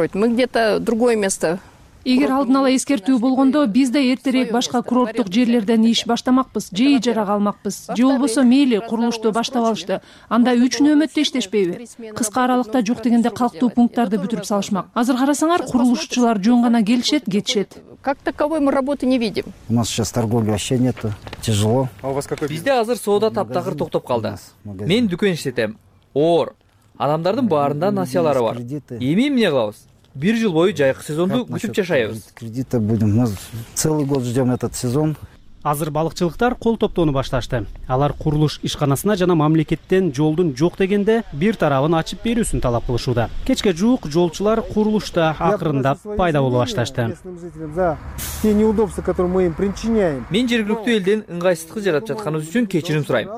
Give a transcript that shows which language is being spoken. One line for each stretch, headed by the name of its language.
Russian: Мы где-то другое место.
Kyrgyz: Эгер алдын ала эскертүү болгондо биз да эртерээк башка курорттук жерлерден иш баштамакпыз, жей жарак алмакпыз. Же болбосо мейли курулушту баштап алышты. Анда үч нөөмөт тештешпейби? Кыска аралыкта жок дегенде калктуу пункттарды бүтүрүп салышмак. Азыр карасаңар курулушчулар жөн гана келишет, кетишет.
Russian: Как таковой мы работы не видим. У нас сейчас торговли вообще нету. Тяжело. А у вас какой бизнес?
Kyrgyz: Бизде азыр соода таптакыр токтоп калды. Мен дүкөн иштетем. Оор. Адамдардын баарында насиялары бар. Эми эмне кылабыз? Бир жыл бою жайкы сезонду күтүп жашайбыз.
Russian: Кредита будем. Мы целый год ждем этот сезон.
Kyrgyz: Азыр балыкчылыктар кол топтоону башташты. Алар курулуш ишканасына жана мамлекеттен жолдун жок дегенде бир тарабын ачып берүүсүн талап кылышууда. Кечке жуук жолчулар курулушта акырындап пайда боло башташты. Мен жергиликтүү элден ыңгайсыздыкты жаратып жатканыбыз үчүн кечирим сурайм.